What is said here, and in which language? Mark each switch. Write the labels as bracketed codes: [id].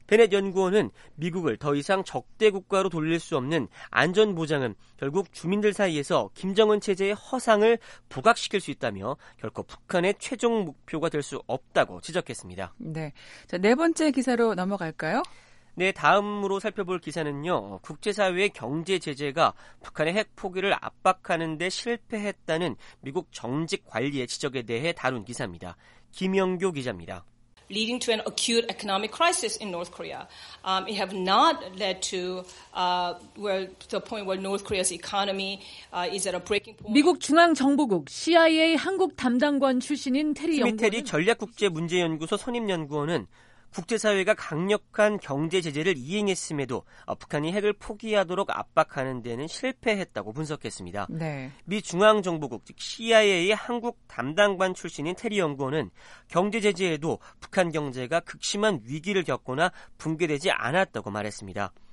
[ko] 베넷 연구원은 미국을 더 이상 적대 국가로 돌릴 수 없는 안전 보장은 결국 주민들 사이에서 김정은 체제의 허상을 부각시킬 수 있다며 결코 북한의 최종 목표가 될 수 없다고 지적했습니다. 네. 자, 네 번째 기사로 넘어갈까요? 네, 다음으로 살펴볼 기사는요. 국제사회의 경제 제재가 북한의 핵 포기를 압박하는 데 실패했다는 미국 정직 관리의 지적에 대해 다룬 기사입니다. 김영교 기자입니다. [en] leading to an acute economic crisis in North Korea. It have not led to where the point where North Korea's economy is at a breaking point. [ko] 미국 중앙정보국 CIA 한국 담당관 출신인 테리 연구원 테리 전략국제문제연구소 선임연구원은 국제사회가 강력한 경제 제재를 이행했음에도 북한이 핵을 포기하도록 압박하는 데는 실패했다고 분석했습니다. 네. 미 중앙정보국 즉 CIA의 한국 담당관 출신인 테리 연구원은 경제 제재에도 북한 경제가 극심한 위기를 겪거나 붕괴되지 않았다고 말했습니다.